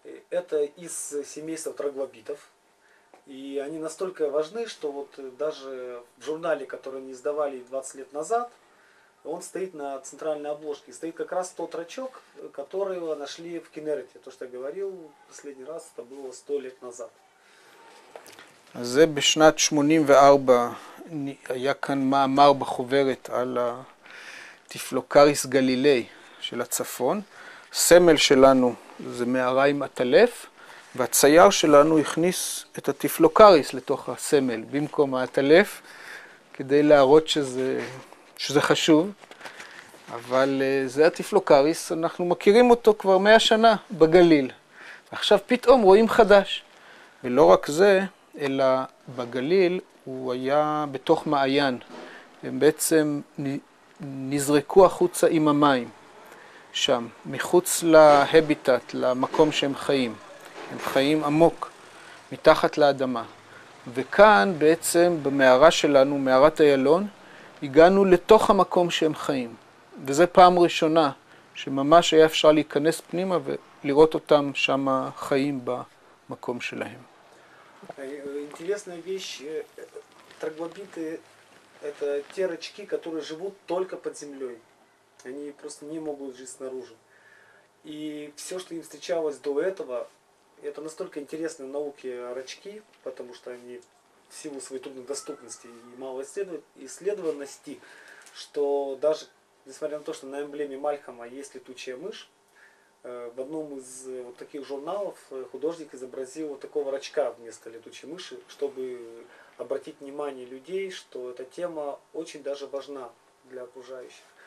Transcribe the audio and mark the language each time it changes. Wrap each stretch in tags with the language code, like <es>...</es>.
<ru>Это из семейства троглобитов. И они настолько важны, что вот даже в журнале, который они издавали 20 лет назад, он стоит на центральной обложке. Стоит как раз тот рачок, который нашли в Кеннерете. То, что я говорил последний раз, это было 100 лет назад.</ru> <he>זה בשנת 84 היה כאן מאמר בחוברת על הטיפלוקריס גלילי של הצפון. סמל שלנו זה מערה עם עטלף, והצייר שלנו הכניס את הטיפלוקריס לתוך הסמל במקום העטלף, כדי להראות שזה חשוב. אבל זה הטיפלוקריס, אנחנו מכירים אותו כבר 100 שנה בגליל. עכשיו פתאום רואים חדש. ולא רק זה, אלא בגליל הוא היה בתוך מעיין. הם בעצם נזרקו החוצה עם המים שם, מחוץ להביטט, למקום שהם חיים. הם חיים עמוק, מתחת לאדמה. וכאן בעצם במערה שלנו, מערת איילון, הגענו לתוך המקום שהם חיים. וזו פעם ראשונה שממש היה אפשר להיכנס פנימה ולראות אותם שם חיים במקום שלהם.</he> <ru>Интересная вещь, троглобиты – это те рачки, которые живут только под землей. Они просто не могут жить снаружи. И все, что им встречалось до этого, это настолько интересные науки рачки, потому что они в силу своей труднодоступности и мало исследованности, что даже, несмотря на то, что на эмблеме Мальхама есть летучая мышь, в одном из вот таких журналов художник изобразил вот такого рачка вместо летучей мыши, чтобы обратить внимание людей, что эта тема очень даже важна для окружающих.</ru>